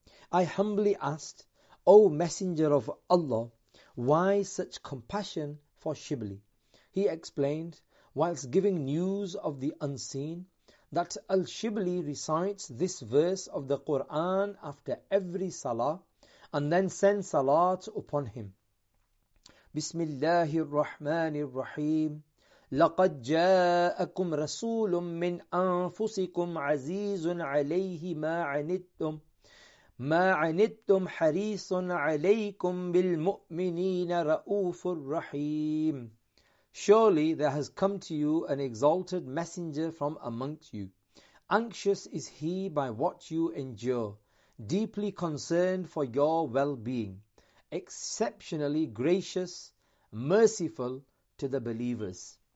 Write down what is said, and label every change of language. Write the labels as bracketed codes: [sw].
[en] I humbly asked, O Messenger of Allah, why such compassion for Shibli? He explained, whilst giving news of the unseen, that al-Shibli recites this verse of the Qur'an after every salah, and then sends salat upon him. [ar] Bismillahir Rahmanir Rahim. لقد جاءكم رسول من أنفسكم عزيز عليه ما عنتم ما عنتم حريص عليكم بالمؤمنين رؤوف رحيم. [en] Surely there has come to you an exalted messenger from amongst you. Anxious is he by what you endure, deeply concerned for your well-being, exceptionally gracious, merciful to the believers.